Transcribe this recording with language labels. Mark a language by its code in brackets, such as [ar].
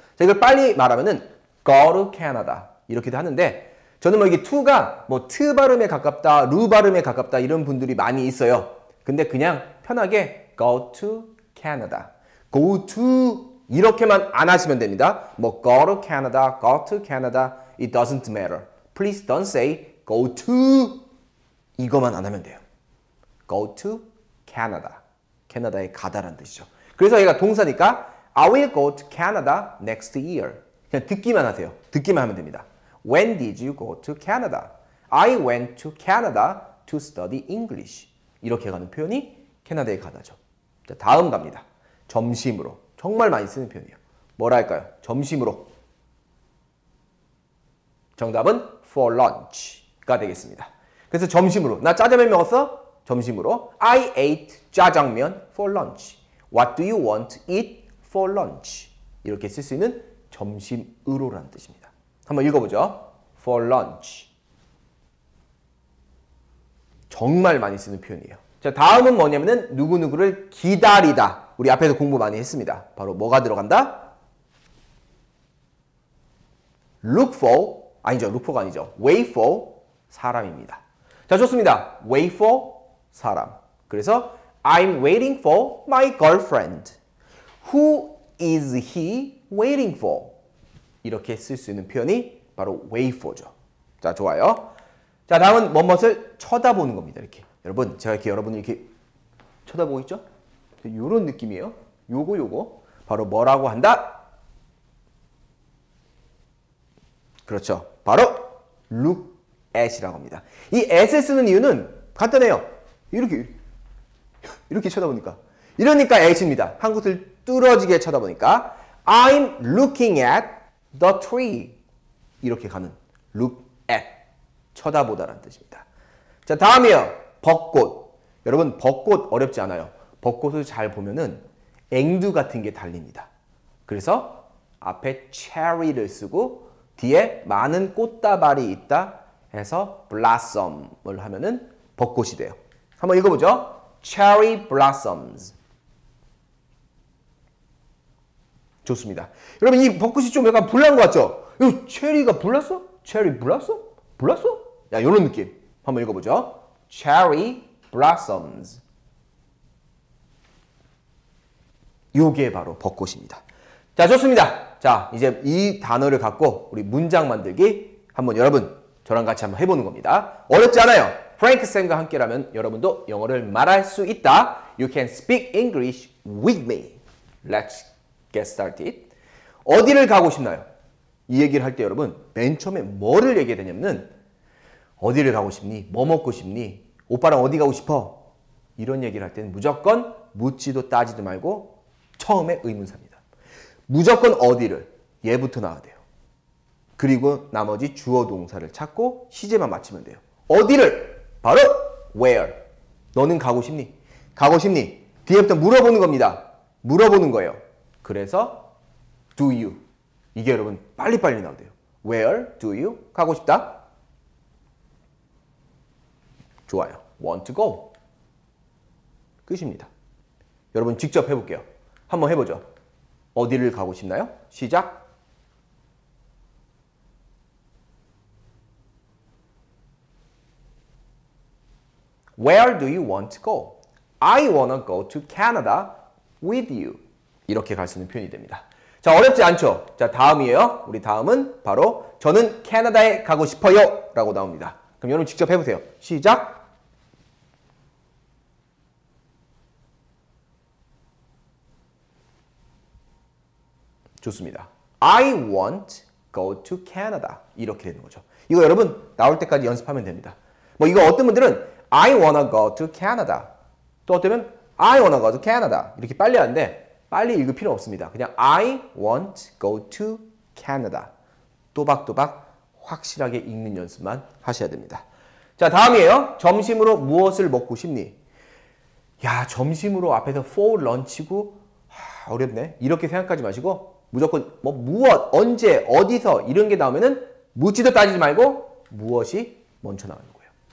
[ko] 자 이걸 빨리 말하면은 [en] Go to Canada [ko] 이렇게도 하는데 저는 뭐 이게 to가 뭐 to 발음에 가깝다, ru 발음에 가깝다 이런 분들이 많이 있어요. 근데 그냥 편하게 [en] Go to Canada. [ko] Go to 이렇게만 안 하시면 됩니다. [en] 뭐 go to Canada, go to Canada, it doesn't matter. Please don't say go to [ko] 이거만 안 하면 돼요. [en] Go to Canada. [ko] 캐나다에 가다라는 뜻이죠. 그래서 얘가 동사니까 [en] I will go to Canada next year. [ko] 그냥 듣기만 하세요. 듣기만 하면 됩니다. [en] When did you go to Canada? I went to Canada to study English. [ko] 이렇게 가는 표현이 캐나다에 가다죠. 자, 다음 갑니다. 점심으로. 정말 많이 쓰는 표현이에요. 뭐랄까요? 점심으로. 정답은 for lunch가 되겠습니다. 그래서 점심으로. 나 짜장면 먹었어? 점심으로. [en] I ate 짜장면 for lunch. What do you want to eat for lunch? [ko] 이렇게 쓸 수 있는 점심으로라는 뜻입니다. 한번 읽어보죠. For lunch. 정말 많이 쓰는 표현이에요. 자, 다음은 뭐냐면은 누구누구를 기다리다. 우리 앞에서 공부 많이 했습니다. 바로 뭐가 들어간다? Look for, 아니죠. Look for가 아니죠. Wait for 사람입니다. 자, 좋습니다. Wait for 사람. 그래서 [en] I'm waiting for my girlfriend. Who is he waiting for? [ko] 이렇게 쓸 수 있는 표현이 바로 wait for죠. 자, 좋아요. 자, 다음은 뭣뭣을 쳐다보는 겁니다. 이렇게. 여러분, 제가 이렇게 여러분을 이렇게 쳐다보고 있죠? 요런 느낌이에요. 요거 요거. 바로 뭐라고 한다? 그렇죠. 바로 look at이라고 합니다. 이 at을 쓰는 이유는 간단해요. 이렇게 이렇게 쳐다보니까. 이러니까 at입니다. 한 곳을 뚫어지게 쳐다보니까 [en] I'm looking at the tree. [ko] 이렇게 가는 look at. 쳐다보다라는 뜻입니다. 자, 다음이요. 벚꽃. 여러분, 벚꽃 어렵지 않아요. 벚꽃을 잘 보면은 앵두 같은 게 달립니다. 그래서 앞에 cherry를 쓰고 뒤에 많은 꽃다발이 있다 해서 blossom을 하면은 벚꽃이 돼요. 한번 읽어보죠. Cherry blossoms. 좋습니다. 여러분, 이 벚꽃이 좀 약간 불난 것 같죠? 이거 체리가 불났어? 체리 불났어? 불났어? 야, 이런 느낌. 한번 읽어보죠. [en] Cherry blossoms. [ko] 요게 바로 벚꽃입니다. 자, 좋습니다. 자, 이제 이 단어를 갖고 우리 문장 만들기 한번 여러분 저랑 같이 한번 해보는 겁니다. 어렵지 않아요. 프랭크쌤과 함께라면 여러분도 영어를 말할 수 있다. [en] You can speak English with me. Let's get started. [ko] 어디를 가고 싶나요? 이 얘기를 할 때 여러분 맨 처음에 뭐를 얘기해야 되냐면은 어디를 가고 싶니? 뭐 먹고 싶니? 오빠랑 어디 가고 싶어? 이런 얘기를 할 때는 무조건 묻지도 따지도 말고 처음에 의문사입니다. 무조건 어디를? 얘부터 나와야 돼요. 그리고 나머지 주어 동사를 찾고 시제만 맞추면 돼요. 어디를? 바로 where. 너는 가고 싶니? 가고 싶니? 뒤에부터 물어보는 겁니다. 물어보는 거예요. 그래서 do you? 이게 여러분 빨리빨리 나오대요. [en] Where do you? [ko] 가고 싶다? 좋아요. [en] Want to go? [ko] 끝입니다. 여러분 직접 해볼게요. 한번 해보죠. 어디를 가고 싶나요? 시작! [en] Where do you want to go? I wanna go to Canada with you. [ko] 이렇게 갈 수 있는 표현이 됩니다. 자, 어렵지 않죠? 자, 다음이에요. 우리 다음은 바로 저는 캐나다에 가고 싶어요! 라고 나옵니다. 그럼 여러분 직접 해보세요. 시작! [en] I want go to Canada. [ko] 이렇게 되는 거죠. 이거 여러분 나올 때까지 연습하면 됩니다. 뭐 이거 어떤 분들은 [en] I wanna go to Canada. [ko] 또 어쩌면 [en] I wanna go to Canada. [ko] 이렇게 빨리 하는데 빨리 읽을 필요 없습니다. 그냥 [en] I want go to Canada. [ko] 또박또박 확실하게 읽는 연습만 하셔야 됩니다. 자, 다음이에요. 점심으로 무엇을 먹고 싶니? 야, 점심으로 앞에서 for lunch고 하, 어렵네. 이렇게 생각하지 마시고 무조건 뭐 무엇, 언제, 어디서 이런 게 나오면은 묻지도 따지지 말고 무엇이 먼저 나오는 거예요.